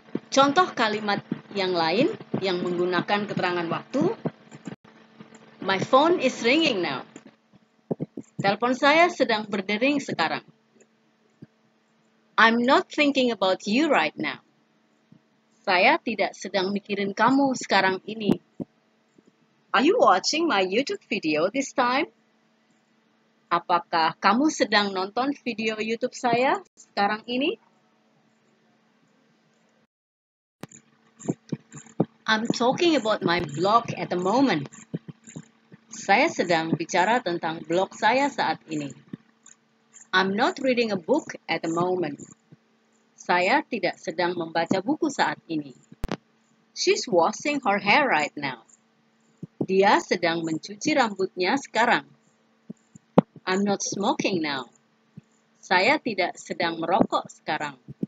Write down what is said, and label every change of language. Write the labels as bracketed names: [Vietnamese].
[Indonesian] Contoh kalimat yang lain yang menggunakan keterangan waktu. [English] My phone is ringing now. [Indonesian] Telepon saya sedang berdering sekarang. [English] I'm not thinking about you right now. [Indonesian] Saya tidak sedang mikirin kamu sekarang ini. [English] Are you watching my YouTube video this time? [Indonesian] Apakah kamu sedang nonton video YouTube saya sekarang ini? [English] I'm talking about my blog at the moment. [Indonesian] Saya sedang bicara tentang blog saya saat ini. [English] I'm not reading a book at the moment. [Indonesian] Saya tidak sedang membaca buku saat ini. [English] She's washing her hair right now. [Indonesian] Dia sedang mencuci rambutnya sekarang. [English] I'm not smoking now. [Indonesian] Saya tidak sedang merokok sekarang.